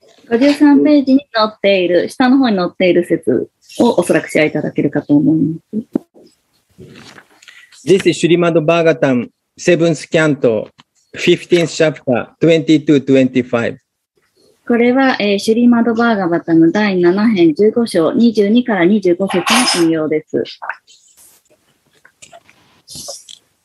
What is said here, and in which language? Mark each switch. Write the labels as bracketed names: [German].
[Japanese] 53ページに載っている、下の方に載っている説をおそらくシェアいただけるかと思います。 [English] This is Srimad Bhagavatam, 7th canto, 15th chapter, 22-25. [Japanese] これは、シュリマドバーガバタの第7編15章22から25節の引用です。